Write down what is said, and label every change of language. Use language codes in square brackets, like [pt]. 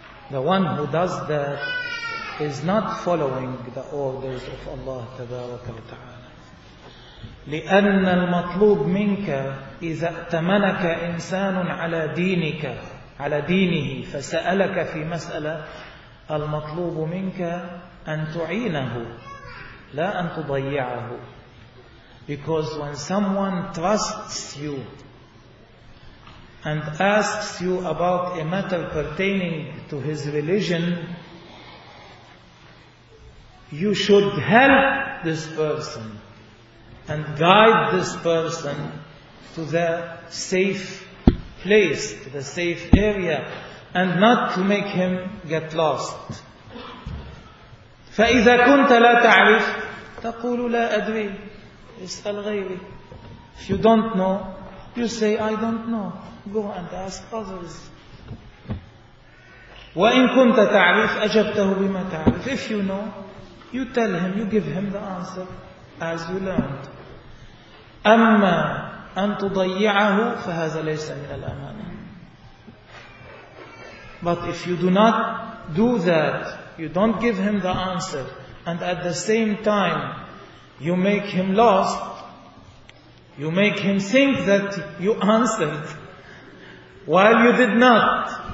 [en] The one who does that is not following the orders of Allah [ar] تبارك وتعالى. لأن المطلوب منك إذا ائتمنك إنسان على دينك على دينه فسألك في مسألة المطلوب منك أن تعينه لا أن تضيعه. [en] Because when someone trusts you and asks you about a matter pertaining to his religion, you should help this person and guide this person to the safe place, to the safe area, and not to make him get lost. [ar] فإذا كنت لا تعرف تقول لا أدري اسأل غيري. [en] If you don't know, you say I don't know. Go and ask others. [ar] وإن كنت تعرف أجبته بما تعرف. [en] If you know, you tell him, you give him the answer as you learned. [ar] أما أن تضيعه فهذا ليس من الأمانة. [en] But if you do not do that, you don't give him the answer, and at the same time you make him lost, you make him think that you answered while you did not,